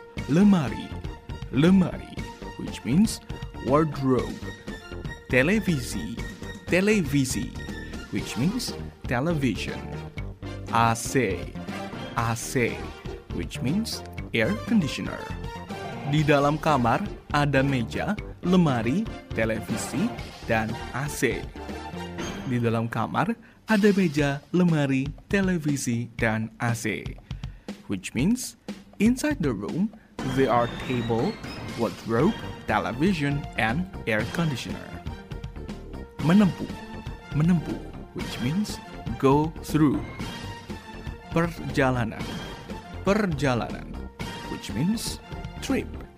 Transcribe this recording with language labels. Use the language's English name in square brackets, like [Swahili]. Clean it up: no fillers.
[Indonesian] Lemari, lemari, [English] which means wardrobe. [Indonesian] Televisi, televisi, [English] which means television. AC, AC, which means air conditioner. [Indonesian] Di dalam kamar ada meja, lemari, televisi, dan AC. Di dalam kamar ada meja, lemari, televisi, dan AC. [English] Which means, inside the room, there are table, wardrobe, television, and air conditioner. [Indonesian] Menempuh, menempuh, [English] which means go through. [Indonesian] Perjalanan, perjalanan, [English] which means trip.